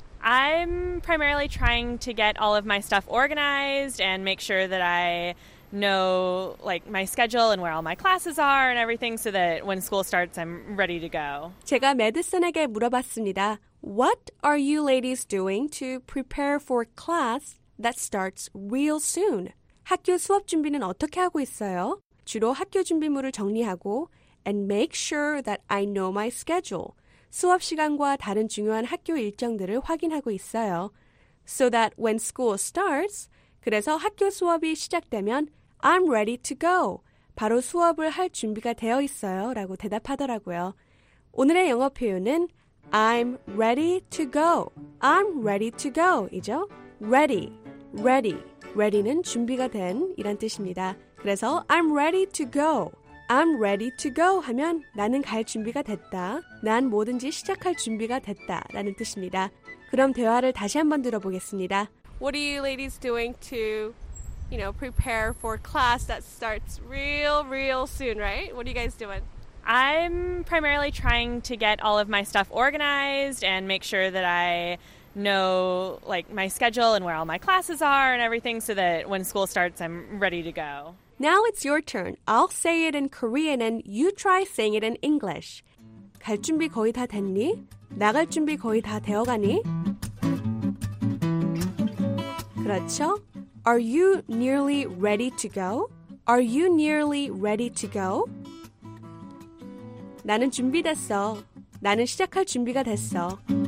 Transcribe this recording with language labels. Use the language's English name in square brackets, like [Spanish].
[English] I'm primarily trying to get all of my stuff organized and make sure that I know, like, my schedule and where all my classes are and everything so that when school starts, I'm ready to go. [Korean] 제가 Madison에게 물어봤습니다. [English] What are you ladies doing to prepare for class that starts real soon? [Korean] 학교 수업 준비는 어떻게 하고 있어요? 주로 학교 준비물을 정리하고 [English] and make sure that I know my schedule. [Korean] 수업 시간과 다른 중요한 학교 일정들을 확인하고 있어요. [English] So that when school starts, [Korean] 그래서 학교 수업이 시작되면 [English] I'm ready to go. [Korean] 바로 수업을 할 준비가 되어 있어요. 라고 대답하더라고요. 오늘의 영어 표현은 [English] I'm ready to go. I'm ready to go. [Korean] 이죠? [English] Ready. Ready. [Korean] Ready는 준비가 된 이란 뜻입니다. 그래서 [English] I'm ready to go. I'm ready to go [Korean] 하면 나는 갈 준비가 됐다. 난 뭐든지 시작할 준비가 됐다 라는 뜻입니다. 그럼 대화를 다시 한번 들어보겠습니다. [English] What are you ladies doing to, you know, prepare for class that starts real soon, right? What are you guys doing? I'm primarily trying to get all of my stuff organized and make sure that I know, like, my schedule and where all my classes are and everything so that when school starts, I'm ready to go. Now it's your turn. I'll say it in Korean and you try saying it in English. [Korean] 갈 준비 거의 다 됐니? 나갈 준비 거의 다 되어가니? 그렇죠? [English] Are you nearly ready to go? Are you nearly ready to go? [Korean] 나는 준비됐어. 나는 시작할 준비가 됐어.